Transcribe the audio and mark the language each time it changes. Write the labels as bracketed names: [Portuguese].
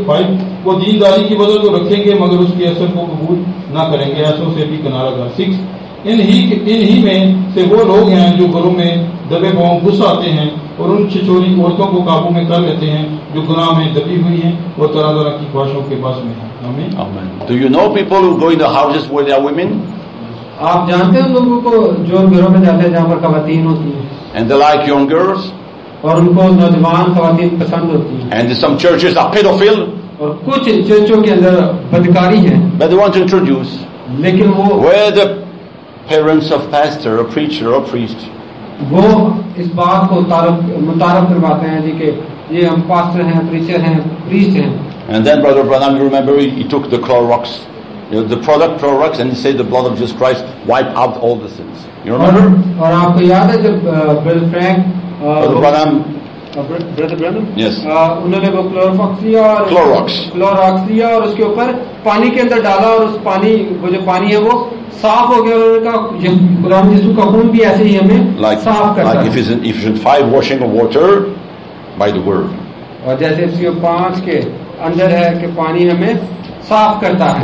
[Hindi] Five, वो दीनदारी की बदल को रखेंगे मगर उसके असर को कबूल ना करेंगे, ऐसों से भी किनारा कर. सिक्स, इन ही में से वो लोग हैं जो घरों में दबे पांव घुस आते हैं और उन छिछोरी औरतों को काबू में कर लेते हैं जो गुनाह में दबी हुई हैं और तरह तरह की ख्वाहिशों के पास में हैं. आमीन. आमीन. [English] Do you know people who go in the houses where there are women? [Hindi] आप जानते हैं उन लोगों को जो घरों में जाते हैं जहाँ पर खवातीन होती है. [English] And they like young girls. [Hindi] और उनको नौजवान खवातीन पसंद होती है. [English] And some churches are pedophile. [Hindi] और कुछ चर्चों के अंदर बदकारी है. [English] But they want to introduce. [Hindi] लेकिन वो [English] where the parents of pastor or preacher or priest. [Hindi] वो इस बात को मुतारफ करवाते हैं जी के ये हम पास्टर हैं, प्रीचर हैं, प्रीस्ट हैं. [English] And then Brother Branham, you remember, he took the Clorox, you know, the product Clorox, and he said the blood of Jesus Christ wipe out all the sins. You remember? [Hindi] और आपको याद है जब Brother Frank, [English] Brother Branham? Yes. [Hindi] उन्होंने वो Clorox लिया और उसके ऊपर पानी के अंदर डाला और उस पानी वो जो पानी है वो साफ हो गया. गुलाम यीशु का खून भी ऐसे ही हमें साफ करता है. [English] Like Ephesians 5 washing of water by the word. [Hindi] और जैसे इसके 5 के अंदर है कि पानी हमें साफ करता है.